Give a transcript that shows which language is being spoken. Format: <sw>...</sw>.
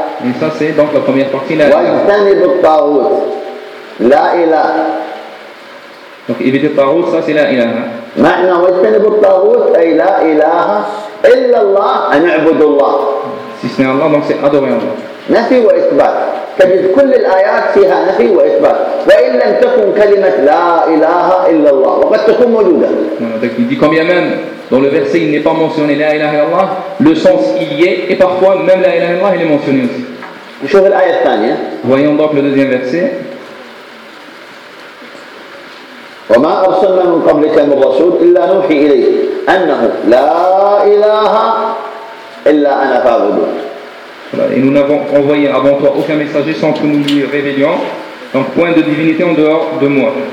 <fr>Et ça, c'est donc la première partie.</fr> <ar>وَاجْتَنِبُ الطَّاغُوتِ لَا إِلَهَ.</ar> <fr>Donc, éviter le tarot, ça, c'est la ilaha.</fr> <ar>مَعْنَا وَاجْتَنِبُ الطَّاغُوتِ أَيْ لَا إِلَهَ إِلَّا اللَّهِ أَنَعْبُدُ اللَّهِ.</ar> <fr>Si ce n'est Allah, donc c'est adorer Allah.</fr> <ar>نفي وإثبات. تجد كل الآيات فيها نفي وإثبات. وإن لم تكن كلمة لا إله إلا الله وقد تكون موجودة.</ar> <fr>Donc il dit quand bien même dans le verset il n'est pas mentionné la ilaha illallah, le sens y est et parfois même la ilaha illallah il est mentionné aussi.</fr> <ar>نشوف الآية الثانية.</ar> <fr>Voyons donc le deuxième verset.</fr> <ar>وما أرسلنا من قبلك من رسول إلا نوحي إليه أنه لا إله إلا أنا فاعبدون.</ar> <fr>Voilà, et nous n'avons envoyé avant toi aucun messager sans que nous lui révélions un point de divinité en dehors de moi.</fr>